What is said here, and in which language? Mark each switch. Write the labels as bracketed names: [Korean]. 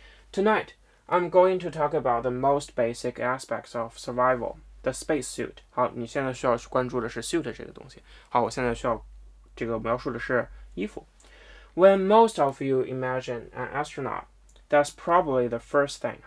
[English] Tonight, I'm going to talk about the most basic aspects of survival. The space suit. [Chinese] 好，你现在需要关注的是 suit 这个东西。好，我现在需要这个描述的是衣服。 [English] When most of you imagine an astronaut, that's probably the first thing.